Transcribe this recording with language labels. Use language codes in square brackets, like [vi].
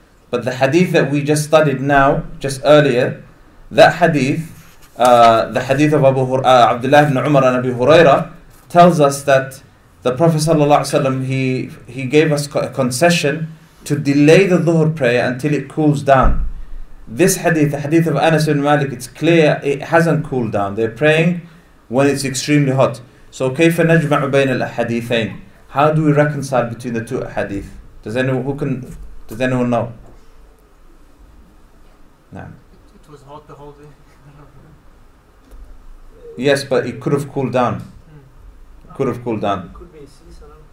[en] But the hadith that we just studied now, just earlier, that hadith, the hadith of Abdullah ibn Umar and Abi Huraira, tells us that the Prophet sallallahu alaihi wasallam, he gave us a concession to delay the dhuhr prayer until it cools down. This hadith, the hadith of Anas ibn Malik, it's clear it hasn't cooled down. They're praying when it's extremely hot. [ar] So كيف نجمع بين الحديثين? [en] How do we reconcile between the two hadith? Does anyone know? Nah. It was hot the whole day. Yes, but it could have cooled down. It could have cooled down. It could be season,